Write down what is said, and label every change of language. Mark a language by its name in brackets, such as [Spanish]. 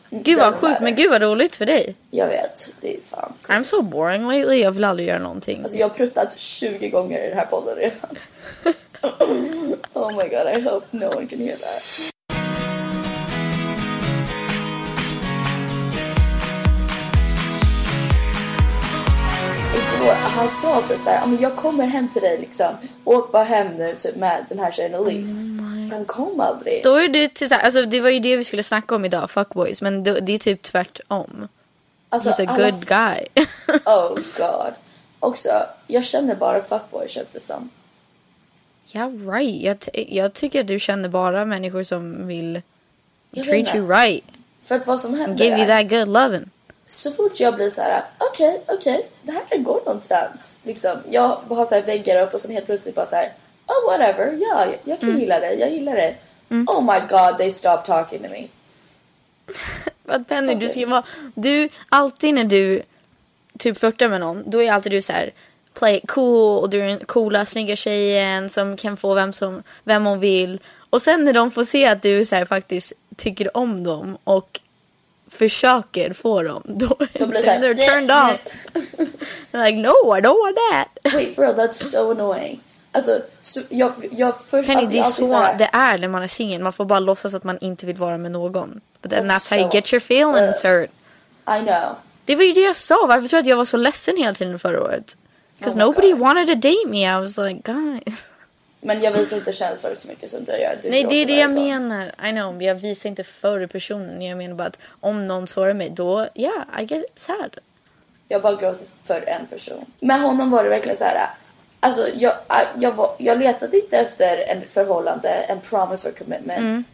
[Swedish] Gud vad sjukt, men gud vad roligt för dig. Jag vet, det är fan cool. [English] I'm so boring lately, [Swedish] jag vill aldrig göra någonting. Alltså jag har pruttat 20 gånger i den här podden redan. [English] Oh my god, I hope no one can hear that. [Swedish] Han sa typ såhär, jag kommer hem till dig liksom. Åk bara hem nu typ med den här tjejen Elise. Han kom aldrig. Då är du typ såhär, alltså det var ju det vi skulle snacka om idag, fuckboys, men det är typ tvärtom. Alltså, [English] he's a good guy. Oh god. [Swedish] Också, jag känner bara fuckboys, känns det som. [English] Yeah right, [Swedish] jag tycker att du känner bara människor som vill [English] treat you right. [Swedish] För att vad som händer, [English] give you that good loving. [Swedish] Så fort jag blir så här, okej, det här kan gå någonstans. Liksom, jag har så här väggar upp och sen helt plötsligt bara så här, [English] oh whatever, [Swedish] ja, jag kan gilla det, jag gillar det. Mm. [English] Oh my god, they stop talking to me. [Swedish] Vad Penny, du ska vara, du, alltid när du typ flörtar med någon, då är alltid du så här, [English] play it cool, [Swedish] och du är den coola, snygga tjejen som kan få vem hon vill. Och sen när de får se att du så här faktiskt tycker om dem och försöker få dem, då blir de så här, [English] they're turned off. They're like, no, I don't want that. Wait, for real, that's so annoying. [Swedish] Alltså, so, jag först, Penny, alltså, det är så här, det är när man är singel. Man får bara låtsas att man inte vill vara med någon. [English] But then that's how you get your feelings hurt. I know. [Swedish] Det var ju det jag sa. Varför tror jag att jag var så ledsen hela tiden förra året? [English] Because nobody wanted to date me. I was like, guys. [Swedish] Men jag visar inte känslor så mycket som du gör. Nej, det är det jag menar. [English] I know, [Swedish] men jag visar inte för personen. Jag menar bara att om någon sårar mig, då, [English] yeah, I get sad. [Swedish] Jag bara gråter för en person. Med honom var det verkligen så här. Alltså, jag letade inte efter en förhållande, en [English] promise or commitment. [Swedish] Mm.